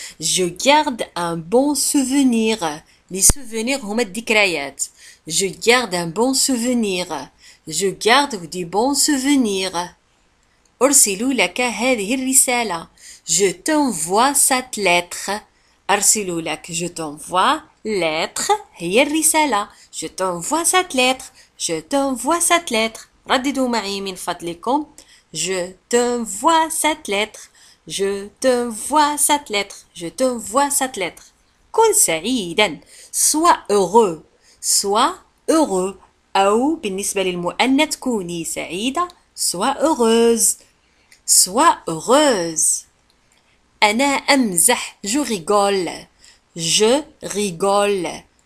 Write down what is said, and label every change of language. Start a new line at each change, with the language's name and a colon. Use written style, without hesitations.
French: Je garde un bon souvenir. Les souvenirs
Arabic: هما الذكريات.
French: Je garde un bon souvenir. Je garde des bons souvenirs.
Arabic: أرسل لك هذه الرسالة.
French: Je t'envoie cette lettre.
Arabic: أرسل لك.
French: Je t'envoie lettre.
Arabic: هي الرسالة.
French: Je t'envoie cette lettre. Je t'envoie cette lettre.
Arabic: رددوا معي من فضلكم.
French: Je t'envoie cette lettre. Je t'envoie cette lettre. Je t'envoie cette lettre.
Arabic: كن سعيدا.
French: Sois heureux. Sois heureux.
Arabic: أو بالنسبة للمؤنث كوني سعيدة.
French: Sois heureuse. Sois heureuse.
Arabic: أنا أمزح.
French: Je rigole. Je rigole.